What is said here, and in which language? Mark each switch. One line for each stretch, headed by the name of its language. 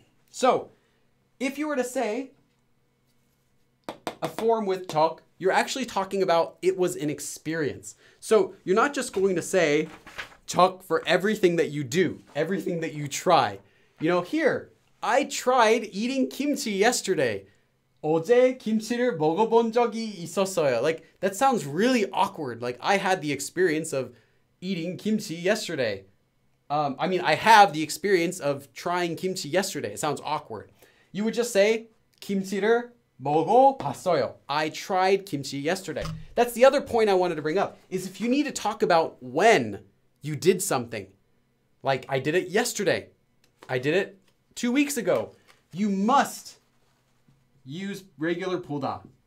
English: So, if you were to say a form with 적, you're actually talking about it was an experience. So, you're not just going to say 적 for everything that you do, everything that you try. You know, here, I tried eating kimchi yesterday.
Korean: 어제 김치를 먹어본 적이 있었어요.
English: Like, that sounds really awkward. Like, I had the experience of eating kimchi yesterday. I mean, I have the experience of trying kimchi yesterday. It sounds awkward. You would just say,
Korean: 김치를 먹어봤어요.
English: I tried kimchi yesterday. That's the other point I wanted to bring up, is if you need to talk about when you did something, like I did it yesterday, I did it 2 weeks ago, you must use regular 보다.